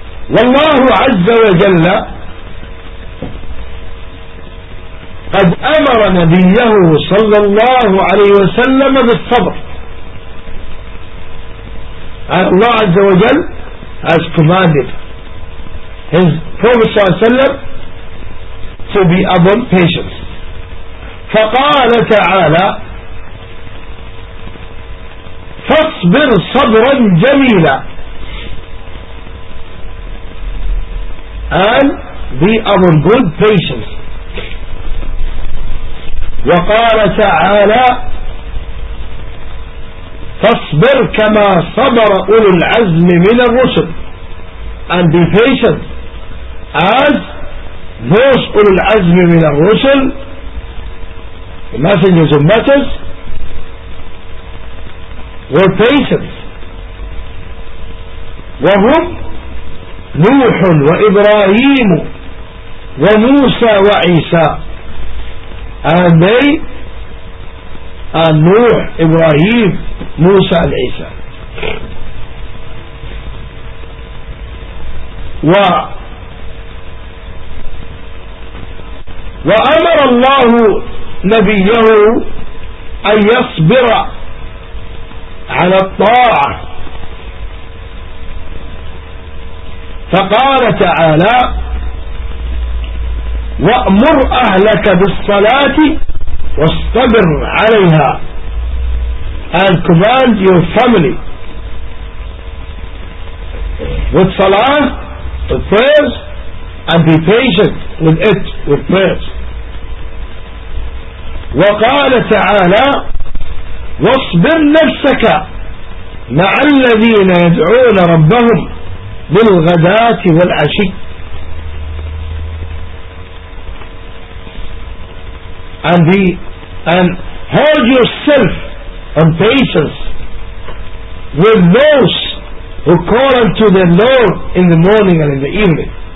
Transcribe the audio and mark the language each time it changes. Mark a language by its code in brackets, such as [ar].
[ar] والله عز وجل قد أمر نبيه صلى الله عليه وسلم بالصبر. [en] الله عز وجل has commanded his Prophet صلى الله عليه وسلم to be upon patience. [ar] فقال تعالى فاصبر صبرا جميلا. [en] And be of good patience. [ar] وقال تعالى فاصبر كما صبر أولو العزم من الرسل. [en] And be patient as those [ar] أولو العزم من الرسل, [en] the messengers of matters, were patient. [ar] وهم نوح وإبراهيم وموسى وعيسى. [en] And they are نوح, إبراهيم, موسى, and عيسى. [ar] وأمر الله نبيه أن يصبر على الطاعة. فقال تعالى وأمر أهلك بالصلاة واصطبر عليها. [en] And command your family with salah, with prayers, and be patient with it, with prayers. [ar] وقال تعالى واصبر نفسك مع الذين يدعون ربهم بالغداة والعشي. [en] And hold yourself on patience with those who call unto the Lord in the morning and in the evening.